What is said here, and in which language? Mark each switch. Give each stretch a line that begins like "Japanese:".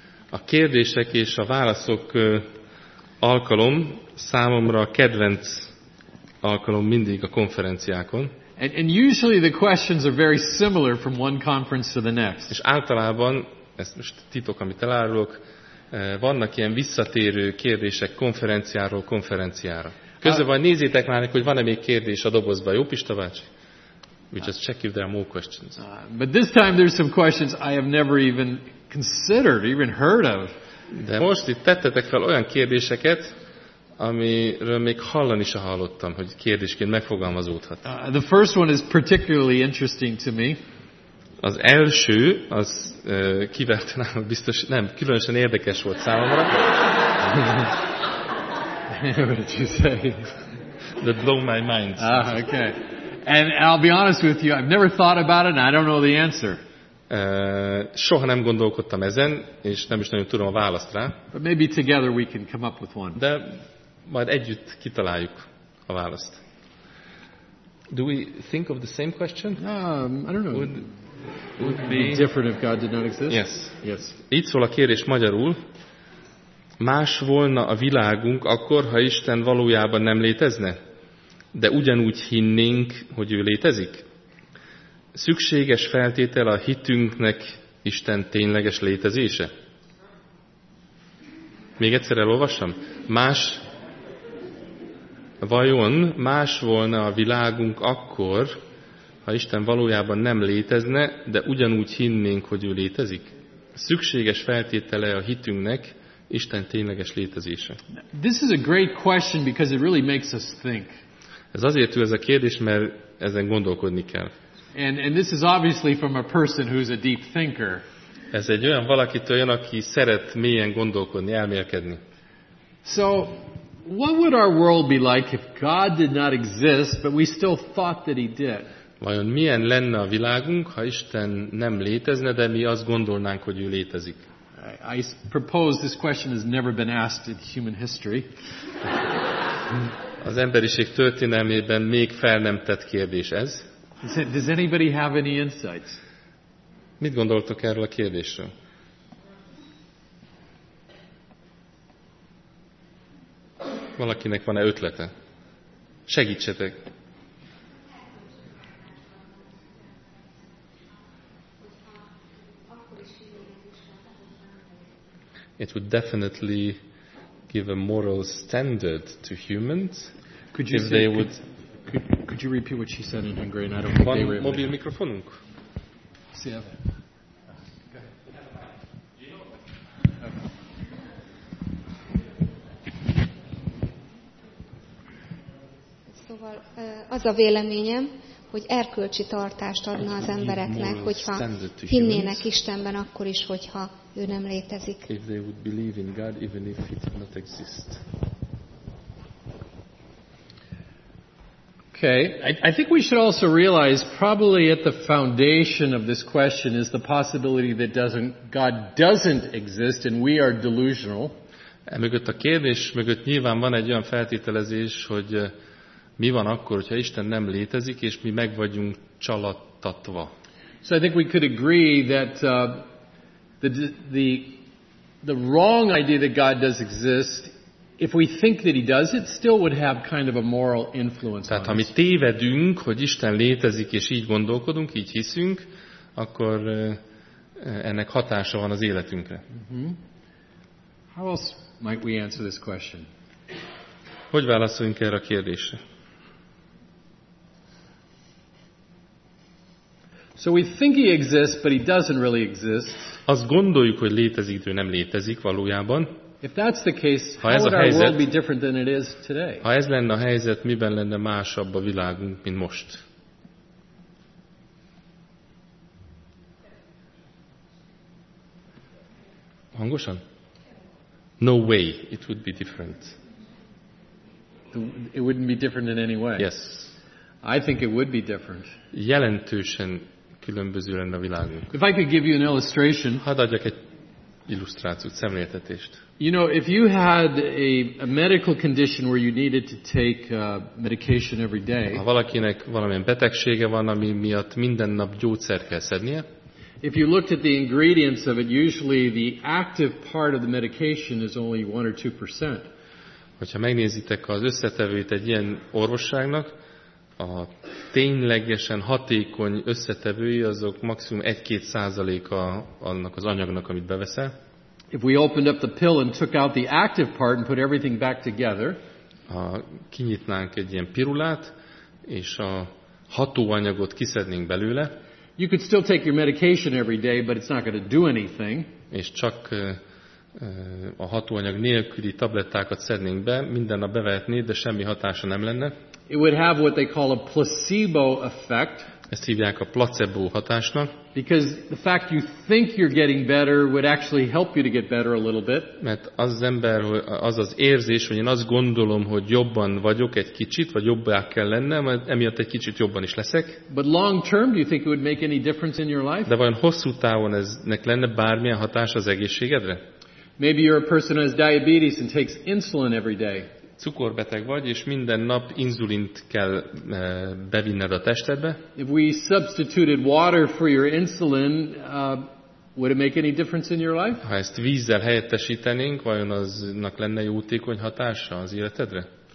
Hungarian: A kérdések és a válaszok alkalom számomra a kedvenc alkalom mindig a konferenciákon.
English: And usually the questions are very similar from one conference to the next.
Hungarian: És általában, ez most titok, amit elárulok, vannak ilyen visszatérő kérdések konferenciáról konferenciára. Közben van, nézzétek már, hogy van-e még kérdés a dobozban. Jó, Pista bácsi?
English: We just check if there are more questions. But this time there's some questions I have never even considered, even heard of.
Hungarian: De most itt tettetek fel olyan kérdéseket, amiről még hallani se hallottam, hogy kérdésként megfogalmazódhat.
English: The first one is particularly interesting to me.
Hungarian: Az első, az kiverte nála biztos, nem, különösen érdekes volt számomra.
English: What did you say? That blew my mind. Ah, okay. And I'll be honest with you, I've never thought about it and I don't know the answer.
Hungarian: Soha nem gondolkodtam ezen, és nem is nagyon tudom a választ rá.
English: But maybe together we can come up with one.
Hungarian: De majd együtt kitaláljuk a választ.
English: Do we think of the same question? I don't know. Would be different if God did not exist? Yes.
Hungarian: Így szól a kérdés magyarul. Más volna a világunk akkor, ha Isten valójában nem létezne? De ugyanúgy hinnénk, hogy ő létezik? Szükséges feltétel a hitünknek Isten tényleges létezése? Még egyszer elolvassam. Vajon más volna a világunk akkor, ha Isten valójában nem létezne, de ugyanúgy hinnénk, hogy ő létezik? Szükséges feltétele a hitünknek Isten tényleges létezése?
English: This is a great question because it really makes us think.
Hungarian: Ez azért jó ez a kérdés, mert ezen gondolkodni kell.
English: And this is obviously from a person who's a deep thinker.
Hungarian: Ez egy olyan valakitől jön, aki szeret mélyen gondolkodni, elmélkedni.
English: So, what would our world be like if God did not exist, but we still thought that he did?
Hungarian: Vajon milyen lenne a világunk, ha Isten nem létezne, de mi azt gondolnánk, hogy ő létezik?
English: I propose this question has never been asked in human history.
Hungarian: Az emberiség történelmében még fel nem tett kérdés ez.
English: Does anybody have any insights?
Hungarian: Mit gondoltok erről a kérdésről? Valakinek van-e ötlete? Segítsetek!
English: It would definitely give a moral standard to humans. Could you if say, they would could you repeat what she said in Hungarian? I don't think they were
Hungarian: mobile mikrofonunk.
English: See ya.
Hungarian: Szóval az a véleményem, hogy erkölcsi tartást adna az embereknek, hogyha hinnének Istenben akkor is, hogyha ő nem létezik.
English: If they would believe in God even if he did not exist. Okay, I think we should also realize probably at the foundation of this question is the possibility that God doesn't exist and we are delusional.
Hungarian: Emögött a kérdés mögött nyilván van egy olyan feltételezés, hogy mi van akkor, hogyha Isten nem létezik és mi meg vagyunk csalattatva.
English: So I think we could agree that the wrong idea that God does exist, if we think that he does, it still would have kind of a moral influence.
Hungarian: Tehát, ha mi tévedünk, hogy Isten létezik és így gondolkodunk, így hiszünk, akkor ennek hatása van az életünkre.
English: Mm-hmm. How else might we answer this question?
Hungarian: Hogy válaszoljunk erre a kérdésre?
English: So we think he exists, but he doesn't really exist.
Hungarian: Azt gondoljuk, hogy létezik, de nem létezik valójában.
English: If that's the case, how would our
Hungarian: helyzet,
English: world be different than it is today?
Hungarian: Ha ez lenne a helyzet, miben lenne másabb a világunk, mint most? Hangosan?
English: No way, it would be different. It wouldn't be different in any way. Yes. I think it would be different.
Hungarian: Jelentősen különböző lenne a világunk.
English: If I could give you an illustration.
Hungarian: Hadd adjak egy illusztrációt, szemléltetést.
English: You know, if you had a medical condition where you needed to take medication every day.
Hungarian: Ha valakinek valamilyen betegsége van, ami miatt minden nap gyógyszert kell szednie.
English: If you looked at the ingredients of it, usually the active part of the medication is only 1 or 2%.
Hungarian: Hogyha megnézitek az összetevőt egy ilyen orvosságnak, a ténylegesen hatékony összetevői azok maximum 1-2% annak az anyagnak, amit beveszel.
English: If we opened up the pill and took out the active part and put everything back together,
Hungarian: ha kinyitnánk egy ilyen pirulát és a hatóanyagot kiszednénk belőle,
English: you could still take your medication every day, but it's not going to do anything.
Hungarian: És csak a hatóanyag nélküli tablettákat szednénk be, minden nap bevehetnéd, de semmi hatása nem lenne.
English: It would have what they call a placebo effect.
Hungarian: Ezt hívják a placebo hatásnak.
English: Because the fact you think you're getting better would actually help you to get better a little bit.
Hungarian: Mert az ember, az az érzés, hogy én azt gondolom, hogy jobban vagyok egy kicsit, vagy jobbá kell lennem, emiatt egy kicsit jobban is leszek.
English: But long term, do you think it would make any difference in your life?
Hungarian: De vajon hosszú távon eznek lenne bármilyen hatása az egészségedre?
English: Maybe you're a person who has diabetes and takes insulin every day.
Hungarian: Cukorbeteg vagy, és minden nap inzulint kell bevinned a testedbe.
English: If we substituted water for your insulin, would it make any difference in your life?
Hungarian: Ha ezt vízzel helyettesítenénk, vajon aznak lenne jótékony hatása az életedre?